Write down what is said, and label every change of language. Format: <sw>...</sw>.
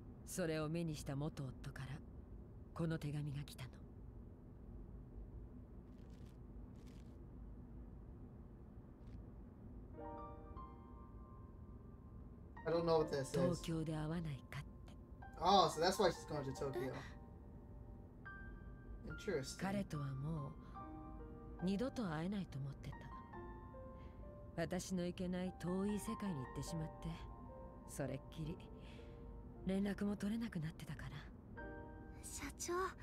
<ja>それを目にした元夫からこの手紙が来たの。</ja> <en>I don't know what this is.</en> <ja>東京で会わないかって。</ja> <en>Oh, so that's why she's going to Tokyo. Interesting.</en> <ja>彼とはもう二度と会えないと思ってた。私の行けない遠い世界に行ってしまって、それっきり連絡も取れなくなってたから。社長。</ja>